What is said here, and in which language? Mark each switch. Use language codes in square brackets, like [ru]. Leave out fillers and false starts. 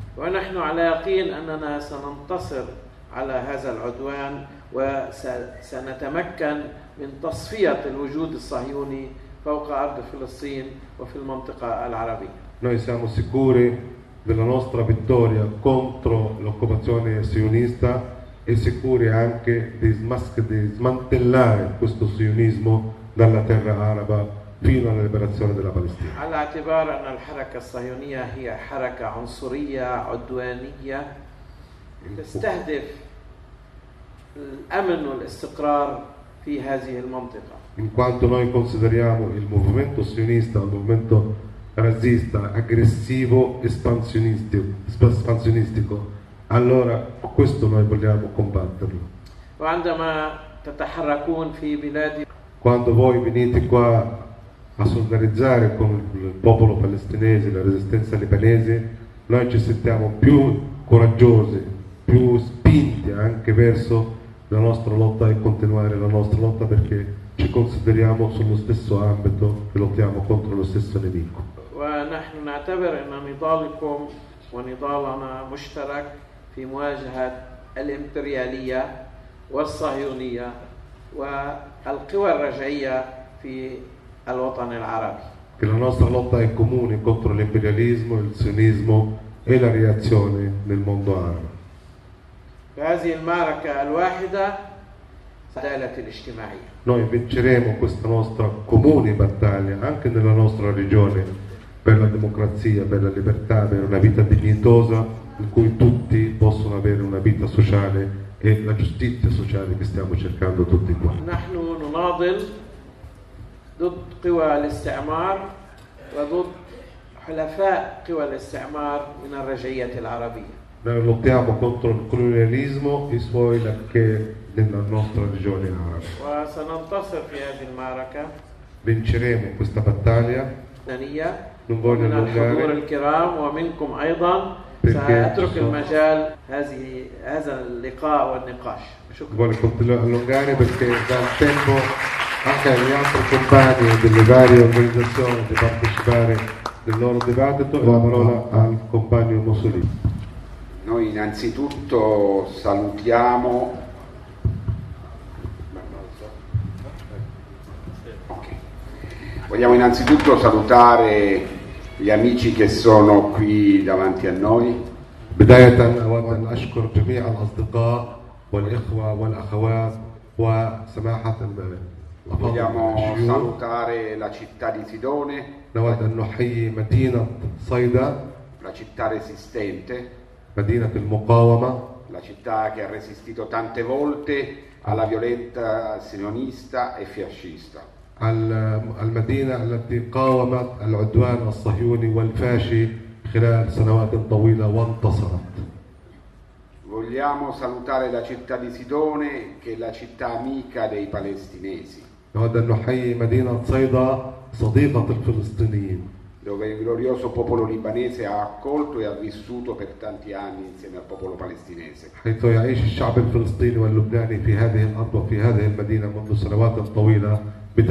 [it] Noi siamo sicuri della nostra vittoria contro l'occupazione sionista e sicuri anche di smantellare questo sionismo dalla terra araba fino alla liberazione della Palestina. [ar] على اعتبار ان الحركه الصهيونيه هي حركه عنصريه عدوانيه تستهدف الامن والاستقرار في هذه المنطقه. [it] In quanto noi consideriamo il movimento sionista un movimento razzista, aggressivo, espansionistico, allora questo noi vogliamo combatterlo. Quando voi venite qua a solidarizzare con il popolo palestinese, la resistenza libanese, noi ci sentiamo più coraggiosi, più spinti anche verso la nostra lotta e continuare la nostra lotta, perché ci consideriamo sullo stesso ambito e lottiamo contro lo stesso nemico. [ar] ونحن نعتبر ان نضالكم ونضالنا مشترك في مواجهه الامبرياليه والصهيونيه والقوى الرجعيه في الوطن العربي. [it] Che la nostra lotta è comune contro l'imperialismo, il sionismo e la reazione nel mondo arabo. [ar] هذه المعركه الواحده عدالة الاجتماعيه. [it] Noi vinceremo questa nostra comune battaglia anche nella nostra regione. Per la democrazia, per la libertà, per una vita dignitosa in cui tutti possono avere una vita sociale e la giustizia sociale che stiamo cercando tutti qua. [ar] نحنو نناضل ضد قوى الاستعمار وضد حلفاء قوى الاستعمار من الرجعية العربية. [it] Noi lottiamo contro il colonialismo e i suoi lacchè nella nostra regione araba. [ar] وسننتصر في هذه المعركة. [it] Vinceremo questa battaglia. [ar] من الحضور الكرام ومنكم أيضا سأترك المجال هذا اللقاء والنقاش. [it] Vuole allungare perché dà il tempo anche agli altri compagni delle varie organizzazioni di partecipare del loro dibattito. La parola al compagno Mussolini. Noi innanzitutto salutiamo. Vogliamo innanzitutto salutare gli amici che sono qui davanti a noi. [ar] بداية أود أن أشكر جميع الأصدقاء والإخوة والأخوات وسماحة [it] Vogliamo salutare la città di Sidone. [ar] نود أن نحيي مدينة صيدا. [it] La città resistente. [ar] مدينة المقاومة. [it] La città che ha resistito tante volte alla violenza sionista e fascista. [ar] المدينة التي قاومت العدوان الصهيوني والفاشي خلال سنوات طويلة وانتصرت. [it] Vogliamo salutare la città di Sidone che è la città amica dei palestinesi. [ar] نود أن نحيي مدينة صيدا صديقة الفلسطينيين. [it] Dove il glorioso popolo libanese ha accolto e ha vissuto per tanti anni insieme al popolo palestinese. [ar] حيث يعيش الشعب الفلسطيني واللبناني في هذه الأرض وفي هذه المدينة منذ سنوات طويلة.